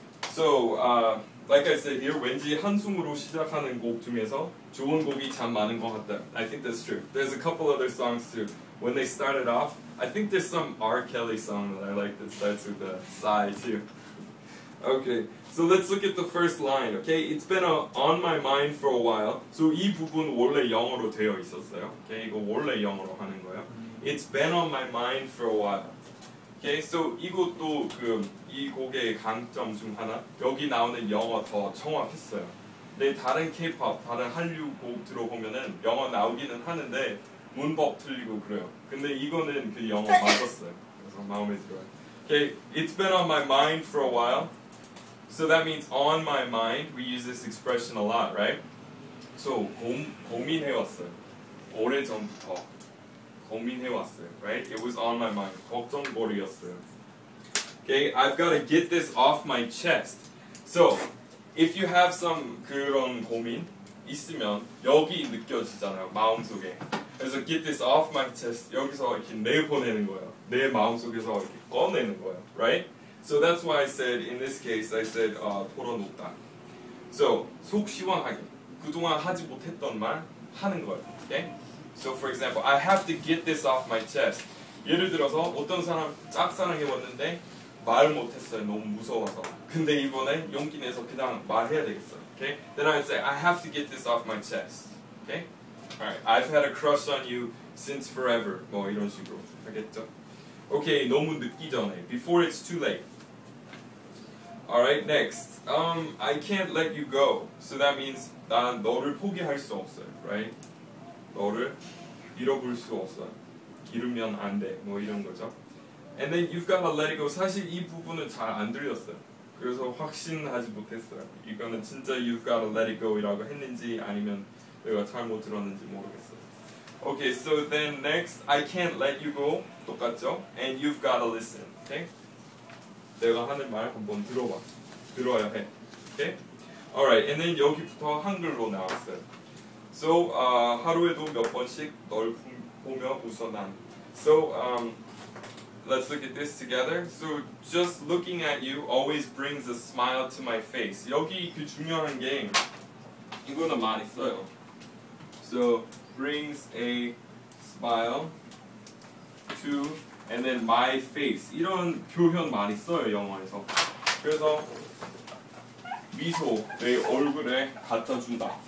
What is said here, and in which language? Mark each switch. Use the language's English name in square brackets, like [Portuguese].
[English] So, like I said here, [Korean] 왠지 한숨으로 시작하는 곡 중에서 좋은 곡이 참 많은 것 같다. [English] I think that's true. There's a couple other songs too. When they started off, I think there's some R. Kelly song that I like that starts with a sigh too. Okay, so let's look at the first line, okay? It's been on my mind for a while. [Korean] So 이 부분 원래 영어로 되어 있었어요. Okay, 이거 원래 영어로 하는 거예요. [English] It's been on my mind for a while. [Korean] Okay, so 이것도 그 이 곡의 강점 중 하나. 여기 나오는 영어 더 정확했어요. 근데 다른 K-pop, 다른 한류 곡 들어보면은 영어 나오기는 하는데 문법 틀리고 그래요. 근데 이거는 그 영어 맞았어요. 그래서 마음에 들어요. [English] Okay, it's been on my mind for a while. So that means on my mind. We use this expression a lot, right? So [Korean] 고민해왔어요. 오래전부터 고민해왔어요, [English] right? It was on my mind. [Korean] 걱정거리였어요. [English] Okay, I've got to get this off my chest. So if you have some [Korean] 그런 고민 있으면 여기 느껴지잖아요, 마음속에. [English] 그래서 get this off my chest. [Korean] 여기서 이렇게 내보내는 거예요. 내 마음속에서 이렇게 꺼내는 거예요, right? [English] So that's why I said, in this case, I said, 털어놓다. [Korean] So, 속 시원하게, 그동안 하지 못했던 말 하는 거예요, okay? [English] So, for example, I have to get this off my chest. [Korean] 예를 들어서, 어떤 사람 짝사랑해왔는데 말 못했어요, 너무 무서워서. 근데 이번에 용기 내서 그냥 말해야 되겠어요, okay? [English] Then I'd say, I have to get this off my chest, okay? Alright, I've had a crush on you since forever. [Korean] 뭐 이런 식으로 하겠죠? Okay, 너무 늦기 전에. [English] Before it's too late. Alright, next. I can't let you go. So that means [Korean] 난 너를 포기할 수 없어요, [English] right? [Korean] 너를 잃어볼 수 없어요. 잃으면 안 돼. 뭐 이런 거죠. [English] And then you've gotta let it go. [Korean] 사실 이 부분은 잘 안 들렸어요. 그래서 확신하지 못했어요. 이거는 진짜 [English] you've gotta let it go [Korean] 이라고 했는지 아니면 내가 잘못 들었는지 모르겠어요. [English] Okay, so then next, I can't let you go, 똑같죠? And you've gotta listen, okay? [Korean] 내가 하는 말 한번 들어봐. 들어야 해, okay? [English] Alright, and then [Korean] 여기부터 한글로 나왔어요. So, 하루에도 몇 번씩 널 보며 웃어 난. [English] So, let's look at this together. So, just looking at you always brings a smile to my face. [Korean] 여기 그 중요한 게, 이거는 많이 써요. [English] So, brings a smile to, and then my face. [Korean] 이런 표현 많이 써요, 영어에서. 그래서 미소, 내 얼굴에 갖다 준다.